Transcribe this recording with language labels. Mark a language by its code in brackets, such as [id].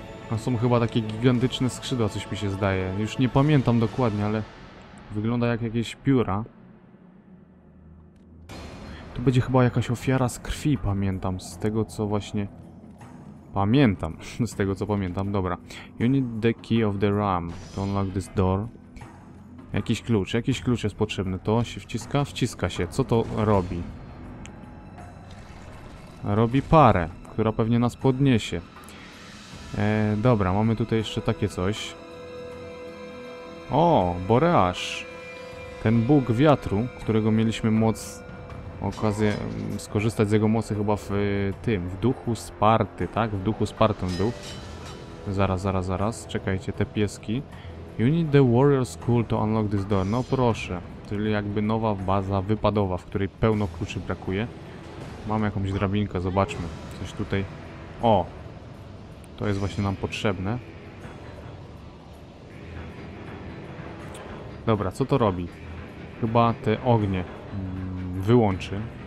[pl] No są chyba takie gigantyczne skrzydła, coś mi się zdaje. Już nie pamiętam dokładnie, ale wygląda jak jakieś pióra. Tu będzie chyba jakaś ofiara z krwi, pamiętam. Z tego co właśnie... Pamiętam. Z tego co pamiętam, dobra. [en] You need the key of the ram to unlock this door. [pl] Jakiś klucz jest potrzebny. To się wciska? Wciska się. Co to robi? Robi parę, która pewnie nas podniesie. Dobra, mamy tutaj jeszcze takie coś. O, Boreasz. Ten bóg wiatru, którego mieliśmy moc, okazję skorzystać z jego mocy chyba w tym, w duchu Sparty, tak? W duchu Sparty był. Zaraz. Czekajcie, te pieski. [en] You need the warrior's school to unlock this door. [pl] No proszę. Czyli jakby nowa baza wypadowa, w której pełno kluczy brakuje. Mamy jakąś drabinkę, zobaczmy. Coś tutaj. O! To jest właśnie nam potrzebne. Dobra, co to robi? Chyba te ognie wyłączy.